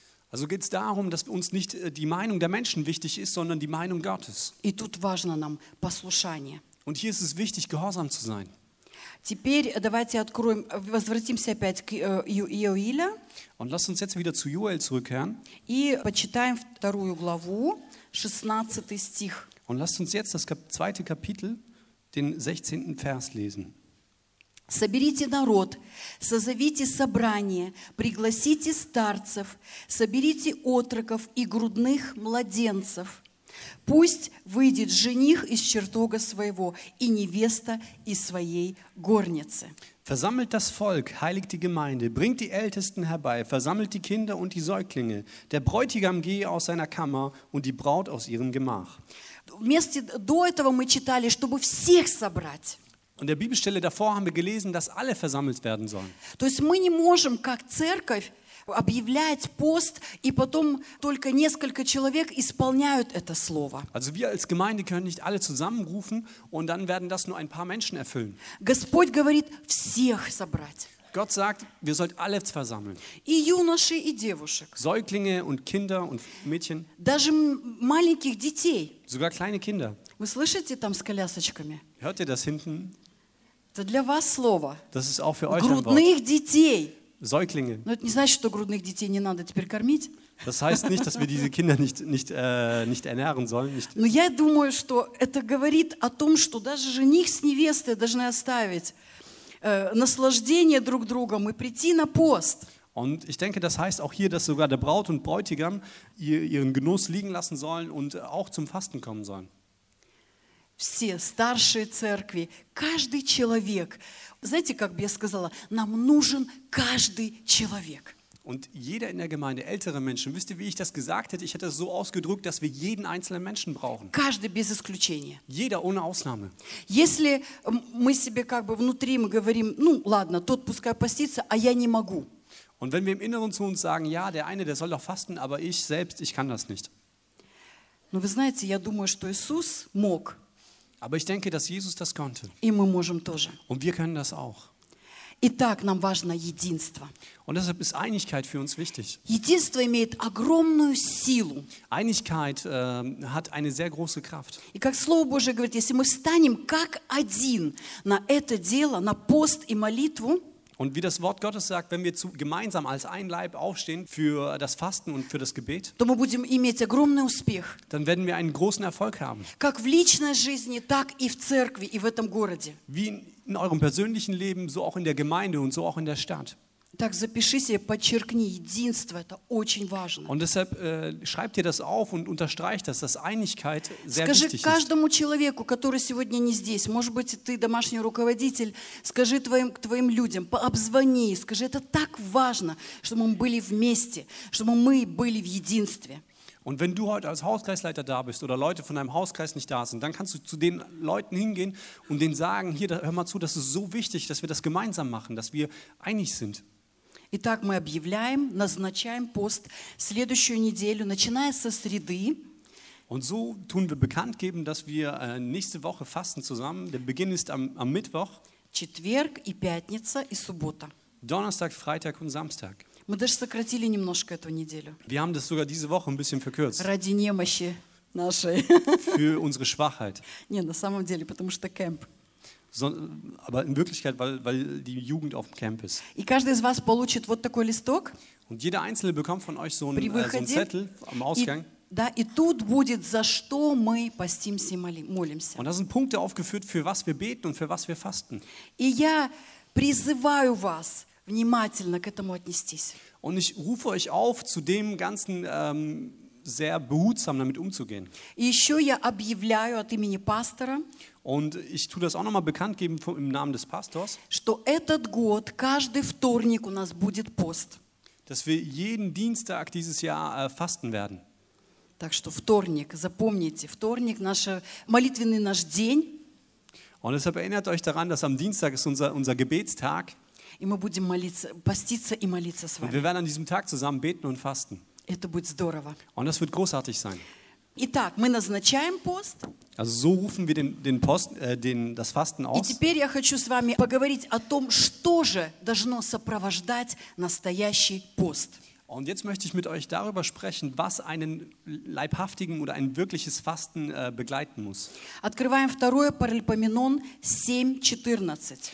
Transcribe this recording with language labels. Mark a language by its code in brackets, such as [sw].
[de] Also geht es darum, dass uns nicht die Meinung der Menschen wichtig ist, sondern die Meinung Gottes. Und hier ist es wichtig, gehorsam zu sein. [ru] Теперь давайте откроем, возвратимся опять к Иоиле. [de] Und lass uns jetzt wieder zu Joel zurückkehren. [ru] И почитаем вторую главу, 16 стих. [de] Und lass uns jetzt das zweite Kapitel, den 16. Vers lesen. [ru] Соберите народ, созовите собрание, пригласите старцев, соберите отроков и грудных младенцев. Пусть выйдет жених из чертога своего и невеста из своей горницы. [de] Versammelt das Volk, heiligt die Gemeinde, bringt die Ältesten herbei, versammelt die Kinder und die Säuglinge. Der Bräutigam gehe aus seiner Kammer und die Braut aus ihrem Gemach. [ru] Вместе до этого мы читали, чтобы всех собрать. [de] Und der Bibelstelle davor haben wir gelesen, dass alle versammelt werden sollen. [ru] То есть мы не можем как церковь объявлять пост, и потом только несколько человек исполняют это слово. [de] Also wir als Gemeinde können nicht alle zusammenrufen und dann werden das nur ein paar Menschen erfüllen. [ru] Господь говорит, всех собрать. [de] Gott sagt, wir sollt alle versammeln. [ru] И юноши, и девушек. [de] Säuglinge und Kinder und Mädchen. [ru] Даже маленьких детей. [de] Sogar kleine Kinder. [ru] Вы слышите там с колясочками? [de] Hört ihr das hinten? [ru] Это для вас слово. [de] Das ist auch für euch ein Wort. [ru] Грудных детей. [de] Säuglinge. [ru] Но это не значит, что грудных детей не надо теперь кормить. [de] Das heißt nicht, dass wir diese Kinder nicht ernähren sollen. Nicht. [ru] Но я думаю, что это говорит о том, что даже жених с невестой должны оставить наслаждение друг другом и прийти на пост. [de] Und ich denke, das heißt auch hier, dass sogar der Braut und Bräutigam ihren Genuss liegen lassen sollen und auch zum Fasten kommen sollen. [ru] Все старшие церкви, каждый человек. Знаете, как бы я сказала, нам нужен каждый человек. [de] Und jeder in der Gemeinde, ältere Menschen, wisst ihr, wie ich das gesagt hätte? Ich hätte es so ausgedrückt, dass wir jeden einzelnen Menschen brauchen. [ru] Каждый без исключения. [de] Jeder ohne Ausnahme. [ru] Если мы себе как бы внутри мы говорим, ну ладно, тот пускай постится, а я не могу. [de] Und wenn wir im Inneren zu uns sagen, ja, der eine, der soll doch fasten, aber ich selbst, ich kann das nicht. [ru] Но вы знаете, я думаю, что Иисус мог. [de] Aber ich denke, dass Jesus das konnte. [ru] И мы можем тоже. [de] Und wir können das auch. [ru] Итак, нам важно единство. [de] Und deshalb ist Einigkeit für uns wichtig. [ru] Единство имеет огромную силу. [de] Einigkeit hat eine sehr große Kraft. [ru] И как Слово Божие говорит, если мы встанем как один на это дело, на пост и молитву, [de] und wie das Wort Gottes sagt, wenn wir gemeinsam als ein Leib aufstehen für das Fasten und für das Gebet, dann werden wir einen großen Erfolg haben. [ru] Как в личной жизни, так и в церкви, и в этом городе. [de] Wie in eurem persönlichen Leben, so auch in der Gemeinde und so auch in der Stadt. [ru] Так запиши себе, подчеркни, единство, это очень важно. [de] Und deshalb schreibt ihr das auf und unterstreicht das, dass Einigkeit sehr [ru] скажи [de] wichtig ist. [ru] Скажи каждому человеку, который сегодня не здесь, может быть, ты домашний руководитель, скажи твоим людям, пообзвони, скажи, это так важно, чтобы мы были вместе, чтобы мы были в единстве. [de] Und wenn du heute als Hauskreisleiter da bist oder Leute von deinem Hauskreis nicht da sind, dann kannst du zu den Leuten hingehen und denen sagen, hier, hör mal zu, das ist so wichtig, dass wir das gemeinsam machen, dass wir einig sind. [ru] Итак, мы объявляем, назначаем пост следующую неделю, начиная со среды. [de] Und so tun wir bekannt geben, dass wir nächste Woche fasten zusammen. Der Beginn ist am Mittwoch. [ru] Четверг и пятница и суббота. [de] Donnerstag, Freitag und Samstag. [ru] Мы даже сократили немножко эту неделю. [de] Wir haben das sogar diese Woche ein bisschen verkürzt. [ru] Ради немощи нашей. [de] Für unsere Schwachheit. [ru] Не, на самом деле, потому что кемп. [de] Aber in Wirklichkeit, weil die Jugend auf dem Camp ist. [ru] И каждый из вас получит вот такой листок. [de] Und jeder Einzelne bekommt von euch so einen Zettel am Ausgang. [ru] Да, и тут будет, за что мы постимся и молимся. [de] Und da sind Punkte aufgeführt, für was wir beten und für was wir fasten. [ru] И я призываю вас внимательно к этому отнестись. [de] Und ich rufe euch auf, zu dem Ganzen sehr behutsam damit umzugehen. [ru] Еще я объявляю от имени пастора. [de] Und ich tue das auch nochmal bekannt geben im Namen des Pastors. [ru] Что этот год каждый вторник у нас будет пост. [de] Dass wir jeden Dienstag dieses Jahr fasten werden. [ru] Так что вторник, запомните, вторник наш молитвенный наш день. [de] Und deshalb erinnert euch daran, dass am Dienstag ist unser Gebetstag. [ru] И мы будем молиться, поститься и молиться с вами. [de] Wir werden an diesem Tag zusammen beten und fasten. [ru] Это будет здорово. [de] Und das wird großartig sein. [ru] Итак, мы назначаем пост. [de] Also so rufen wir den Post, das Fasten aus. [ru] И теперь я хочу с вами поговорить о том, что же должно сопровождать настоящий пост. [de] Und jetzt möchte ich mit euch darüber sprechen, was einen leibhaftigen oder ein wirkliches Fasten begleiten muss. [ru] Открываем 2 Паралипоменон 7:14.